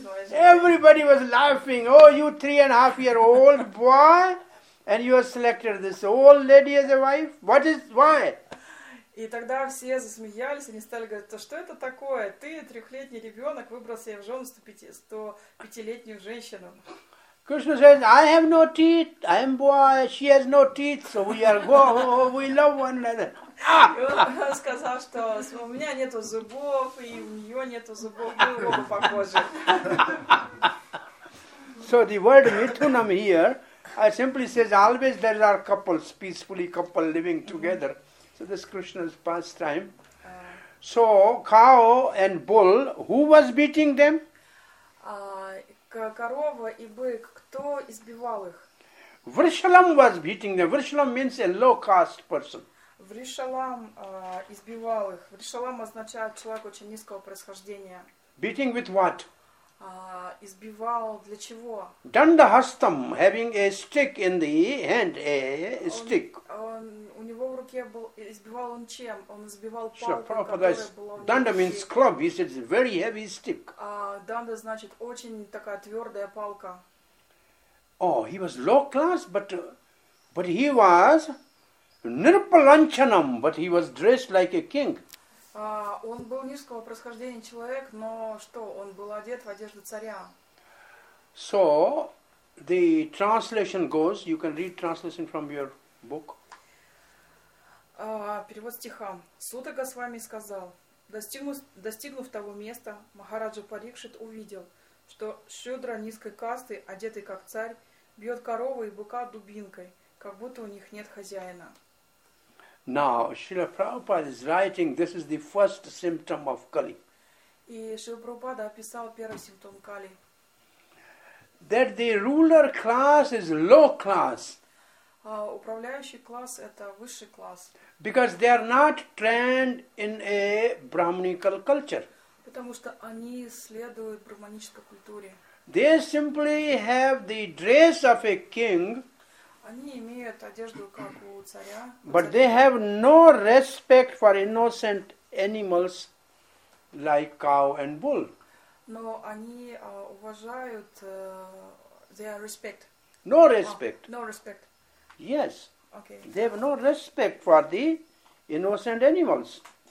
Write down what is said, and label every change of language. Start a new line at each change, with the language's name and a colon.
English: Everybody was laughing. Oh, you 3.5-year-old boy, and you have selected this old lady as a wife? What is, why?
Russian: И тогда все засмеялись, они стали говорить, что это такое? Ты, 3-летний ребенок, выбрал себе в жену 105-летнюю женщину.
English: Krishna says, I have no teeth, I am boy, she has no teeth, so we are we love one another.
Russian: Сказал, что у меня нету зубов, и у нее нету зубов, мы оба похожи.
English: So the word mithunam here simply says always there are couples, peacefully couple living together. So this is Krishna's pastime. So cow and bull, who was beating them?
Russian: Корова и бык, кто избивал их?
English: Vrishalam was beating them. Vrishalam means a low caste person.
Russian: Vrishalam избивал их. Vrishalam означает человек очень низкого происхождения.
English: Beating with what?
Russian: Избивал для чего?
English: Dandahastam, having a stick in the hand, a stick.
Russian: У него в руке был, избивал он чем? Он избивал палкой,
English: sure,
Russian: которая была в руке.
English: Данда means club, he said, it's a very heavy stick.
Russian: Данда значит очень такая твердая палка.
English: Oh, he was low class, but he was nirpalanchanam, but he was dressed like a king.
Russian: Он был низкого происхождения человек, но что, он был одет в одежду царя.
English: So, the translation goes, you can read translation from your book.
Russian: Перевод стиха. Сута Госвами сказал, достигнув того места, Махараджа Парикшит увидел, что Шудра низкой касты, одетый как царь, бьет корову и быка дубинкой, как будто у них нет хозяина.
English: Now, Srila Prabhupada is writing, this is the first symptom of Kali.
Russian: И Шрила Прабхупада описал первый симптом Кали.
English: That the ruler class is low class.
Russian: Управляющий класс – это высший класс.
English: Because they are not trained in a brahminical culture.
Russian: Потому что они следуют брахманической культуре.
English: They simply have the dress of a king.
Russian: Они имеют одежду, как у царя.
English: But they have no respect for innocent animals like cow and bull.
Russian: Но они уважают,
English: they have respect. No respect. No respect. Yes. Okay. They have no respect for the innocent animals.